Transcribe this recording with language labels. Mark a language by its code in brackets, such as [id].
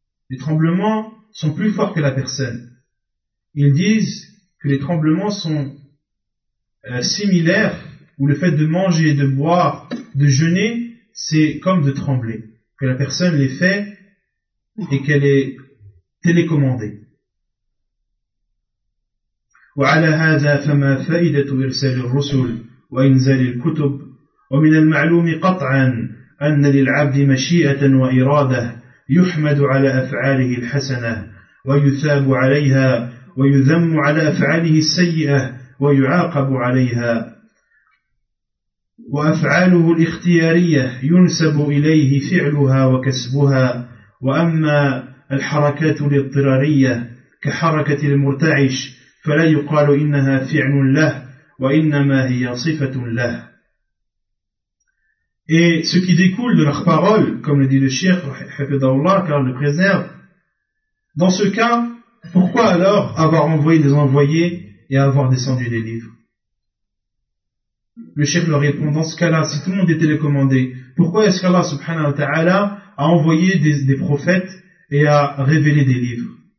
[fr] Les tremblements sont plus forts que la personne. Ils disent que les tremblements sont similaires, ou le fait de manger, de boire, de jeûner, c'est comme de trembler. Que la personne les fait et qu'elle est télécommandée. [ar] وعلى هذا فما فائدة إرسال الرسل وإنزال الكتب ومن المعلوم قطعا أن للعبد مشيئة وإرادة يحمد على أفعاله الحسنة ويثاب عليها ويذم على أفعاله السيئة ويعاقب عليها وأفعاله الاختيارية ينسب إليه فعلها وكسبها وأما الحركات الاضطرارية كحركة المرتعش فلا يقال إنها فعل له وإنما هي صفة له. [fr] Et ce qui découle de leurs paroles, comme le dit le cheikh Hafidhahullah, car il le préserve, dans ce cas, pourquoi alors avoir envoyé des envoyés et avoir descendu des livres? Le chef leur répond, dans ce cas-là, si tout le monde est télécommandé, pourquoi est-ce qu'Allah subhanahu wa ta'ala a envoyé des prophètes et a révélé des livres?